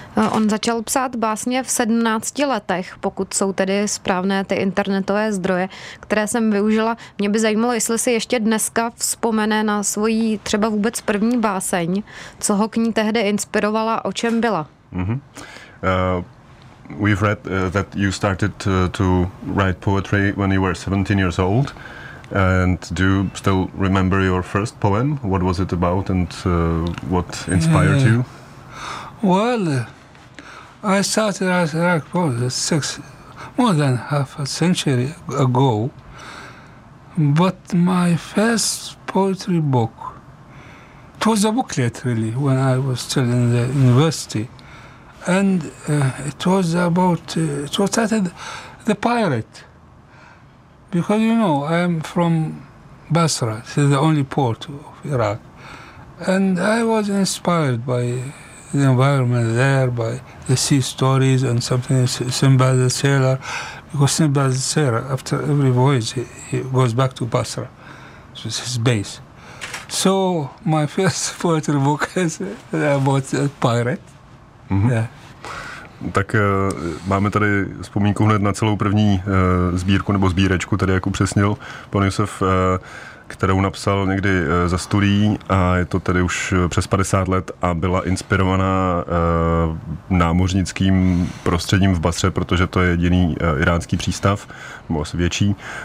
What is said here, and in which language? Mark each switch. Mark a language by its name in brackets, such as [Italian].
[Czech] On začal psát básně v 17 letech, pokud jsou tedy správné ty internetové zdroje, které jsem využila. Mě by zajímalo, jestli si ještě dneska vzpomene na svoji třeba vůbec první báseň, co ho k ní tehdy inspirovala, o čem byla. Mm-hmm. [English] We've read that you started to write poetry when you were 17 years old. And do you still remember your first poem? What was it about and what inspired you? Well, I started Iraq more than half a century ago, but my first poetry book, it was a booklet really, when I was still in the university, and it was titled The Pirate, because you know, I'm from Basra, it's the only port of Iraq, and I was inspired by the environment there, by the sea stories and something, Simba the Sailor, because Simba the Sailor, after every voyage, he goes back to Basra, which is his base. So my first poetry book is about a pirate. Mm-hmm. Yeah. [Czech] Tak máme tady vzpomínku hned na celou první sbírku, nebo sbírečku, tady jak upřesnil pan Josef, kterou napsal někdy za studií, a je to tedy už přes 50 let, a byla inspirovaná námořnickým prostředím v Basře, protože to je jediný iránský přístav, nebo asi větší.